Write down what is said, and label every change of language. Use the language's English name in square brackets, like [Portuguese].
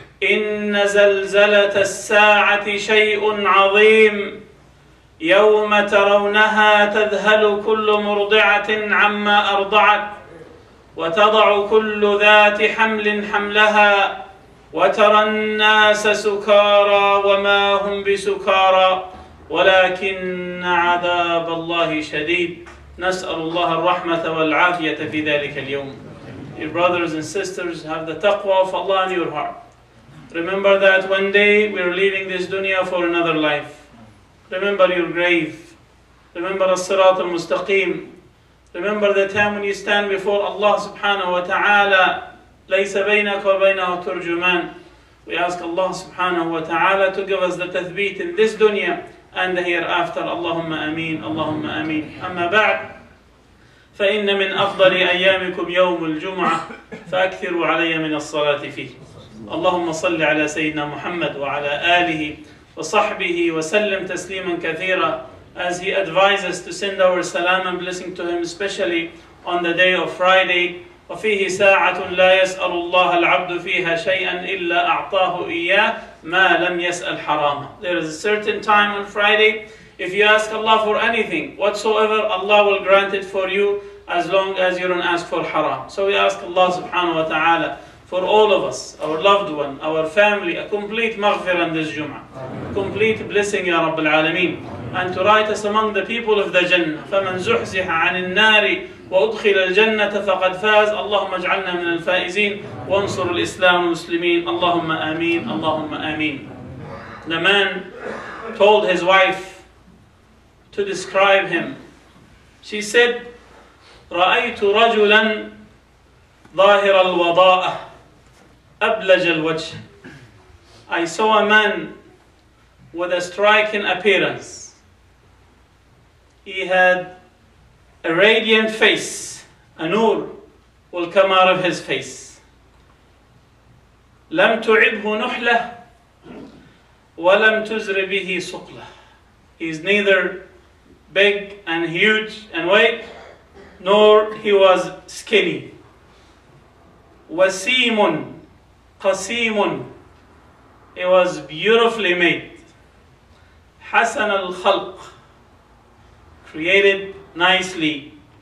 [Arabic] إن زلزلة الساعة شيء عظيم يوم ترونها تذهل كل مرضعة عما أرضعت وتضع كل ذات حمل حملها وترى الناس سكارى وما هم بسكارى ولكن عذاب الله شديد نسأل الله الرحمة والعافية في ذلك اليوم. [English] Your brothers and sisters, have the taqwa of Allah in your heart. Remember that one day we are leaving this dunya for another life. Remember your grave. Remember as-sirat al-mustaqim. Remember the time when you stand before Allah subhanahu wa ta'ala. [Arabic] لَيْسَ بَيْنَكَ وَبَيْنَهُ ترجمان. [English] We ask Allah subhanahu wa ta'ala to give us the tathbeet in this dunya and the hereafter. [Arabic] Allahumma ameen, Allahumma ameen. Amma ba'd. فَإِنَّ مِنْ أَفْضَلِ أَيَّامِكُمْ يَوْمُ الْجُمْعَةِ فَأَكْثِرُوا عَلَيَّ مِنَ الصَّلَاةِ فِيهِ. اللهم صل على سيدنا محمد وعلى آله وصحبه وسلم تسليما كثيرا. [English] As he advises us to send our salam and blessing to him, especially on the day of Friday. [Arabic] وفيه ساعة لا يسأل الله العبد فيها شيئا إلا أعطاه إياه ما لم يسأل حراما. [English] There is a certain time on Friday. If you ask Allah for anything whatsoever, Allah will grant it for you as long as you don't ask for haram. So we ask Allah subhanahu wa ta'ala for all of us, our loved one, our family, a complete maghfirah this Jum'ah. Complete blessing, Ya Rabbil Alameen. And to write us among the people of the Jannah. [Arabic] فَمَنْ زُحْزِحَ عَنِ النَّارِ وَأُدْخِلَ الْجَنَّةَ فَقَدْ فَازَ اللَّهُمَّ اجْعَلْنَا مِنَ الْفَائِزِينَ وَانْصُرُ الْإِسْلَامُ الْمُسْلِمِينَ اللَّهُمَّ آمِينَ اللَّهُمَّ آمِينَ. [English] The man told his wife to describe him. She said, [Arabic] رَأَيْتُ رَجُلًا ظاهر الوضاء أبلج الوجه. [English] I saw a man with a striking appearance. He had a radiant face, a nur will come out of his face. [Arabic] لم تعبه نحلة ولم تزر به سقلة. [English] He is neither big and huge and white, nor he was skinny. [Arabic] وسيم قسيم. [English] It was beautifully made. [Arabic] حسن الخلق. [English] Created nicely.